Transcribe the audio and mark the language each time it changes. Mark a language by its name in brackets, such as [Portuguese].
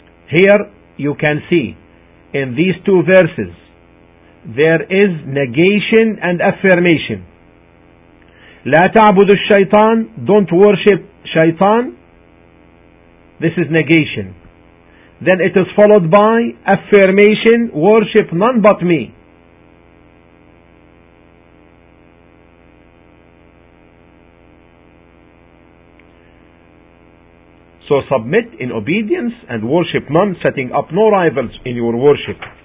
[English] Here you can see in these two verses there is negation and affirmation. [Arabic] لا تعبد الشيطان, [English] don't worship shaitan. This is negation. Then it is followed by affirmation, worship none but me. So submit in obedience and worship none, setting up no rivals in your worship.